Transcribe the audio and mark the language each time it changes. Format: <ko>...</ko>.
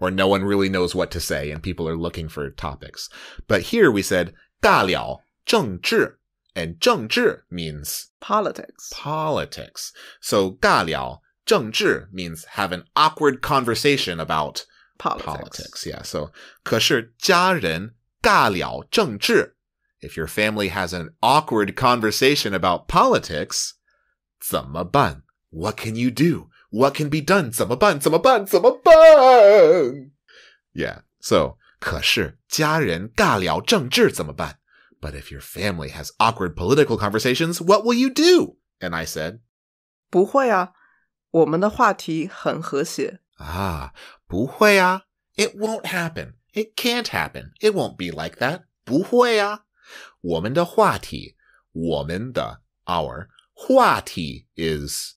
<en>where no one really knows what to say and people are looking for topics. But here we said</en> <zh>尬聊政治,</zh> <en>and 政治 means politics. So</en> <zh>尬聊政治</zh> <en>means have an awkward conversation about politics. Yeah.</en> <zh>So 可是家人尬聊政治.</zh> <en>If your family has an awkward conversation about politics,</en> <zh>怎么办?</zh> <en>What can you do? What can be done?</en> <zh>怎么办?怎么办?怎么办?</zh> <en>Yeah.</en> <zh>So, 可是家人尬聊政治怎么办?</zh> <en>But if your family has awkward political conversations, what will you do? And I said,</en> <zh>不会啊。我们的话题很和谐。不会啊。</zh> <en>It won't happen. It can't happen. It won't be like that.</en> <zh>不会啊。我们的话题,我们的</zh> <en>our</en> <zh>话题</zh> <en>is</en>